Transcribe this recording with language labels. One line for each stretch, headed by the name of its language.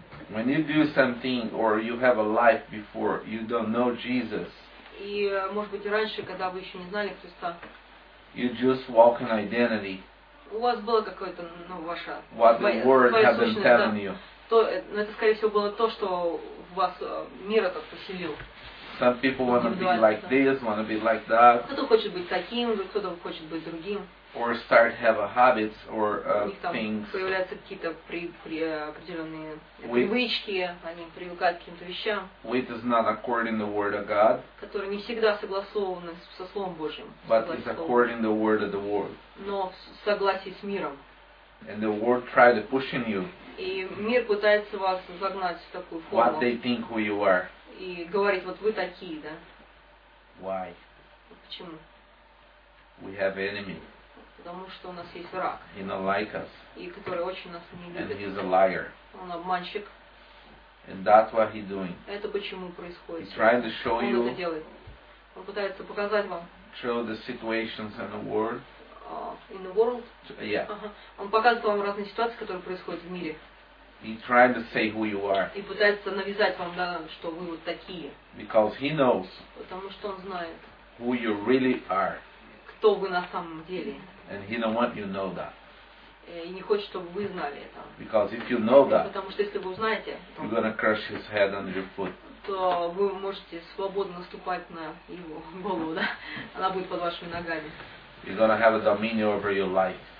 English: When you do something or you have a life before, you don't know Jesus.
Russian: И может быть раньше, когда вы еще не знали Христа.
English: You just walk in identity.
Russian: У вас было какое-то, ну, ваша.
English: What the world has been telling you.
Russian: То, но это, скорее всего, было то, что в вас мир этот поселил.
English: Some people want to be like this, want to be like that.
Russian: Кто-то хочет быть таким, кто-то хочет быть другим.
English: Or start have a habits or things.
Russian: У них там появляются какие-то определенные привычки, они привыкают к каким-то вещам.
English: Which is not according to the word of God.
Russian: Которые не всегда согласованы со Словом Божьим.
English: But it's according to the word of the world.
Russian: Но в согласии с миром.
English: And the world try to push in you.
Russian: И мир пытается вас загнать в такую форму.
English: What they think who you are.
Russian: И говорит, вот вы такие, да?
English: Why?
Russian: Почему?
English: We have enemy.
Russian: Потому что у нас есть враг.
English: He don't like us.
Russian: И который очень нас не любит.
English: And he's a liar.
Russian: Он обманщик.
English: And that's what he doing.
Russian: Это почему происходит.
English: He's trying to show
Russian: он
English: you.
Russian: Это делает. Он пытается показать вам.
English: Show the situations in the world. In the world. Yeah. Uh-huh.
Russian: Он показывает вам разные ситуации, которые происходят в мире.
English: He tried to say who you are.
Russian: И пытается навязать вам, да, что вы вот такие.
English: Because he knows.
Russian: Потому что он знает.
English: Who you really are.
Russian: Кто вы на самом деле.
English: And he don't want you to know that.
Russian: И не хочет, чтобы вы знали это.
English: Because if you know that.
Russian: Потому что если вы узнаете.
English: You're gonna crush his head under your foot.
Russian: То вы можете свободно наступать на его голову, да? Она будет под вашими ногами.
English: You're gonna have a dominion over your life.